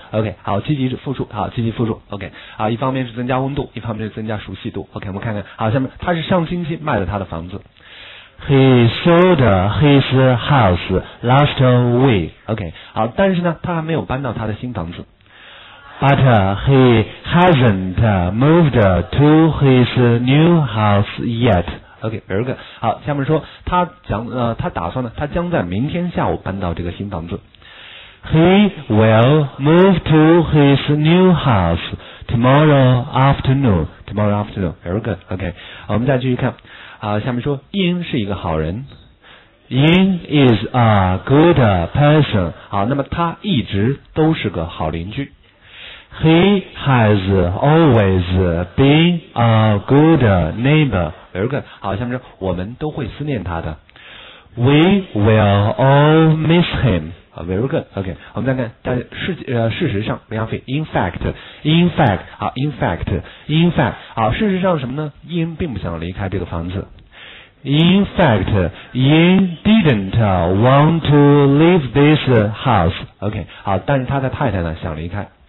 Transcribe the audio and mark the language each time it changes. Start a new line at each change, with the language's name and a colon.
Chinese: OK， 好，积极复述，好，积极复述。OK， 好，一方面是增加温度，一方面是增加熟悉度。 OK， 我们看看，好，下面他是上星期卖了他的房子。
English: He sold his house last week.
Chinese: OK， 好，但是呢，他还没有搬到他的新房子。
English: But he hasn't moved to his new house yet. OK， very good。
Chinese: 好，下面说他打算呢，他将在明天下午搬到这个新房子。
English: He will move to his new house tomorrow afternoon. Tomorrow afternoon, very good.
Chinese: OK， 我们再继续看。下面说 ，Ian 是一个好人。
English: Ian is a good person.
Chinese: 好，那么他一直都是个好邻居。
English: He has always been a good neighbor. Very good.
Chinese: 好，下面说我们都会思念他的。
English: We will all miss him. Very good.
Chinese: OK. 我们再看，但事实上 ，Ralphie,
English: in fact, in fact,
Chinese: 好 ，in fact, in fact, 好，事实上什么呢 ？Ian 并不想离开这个房子。
English: In fact, Ian didn't want to leave this house. OK.
Chinese: 好，但是他的太太呢，想离开。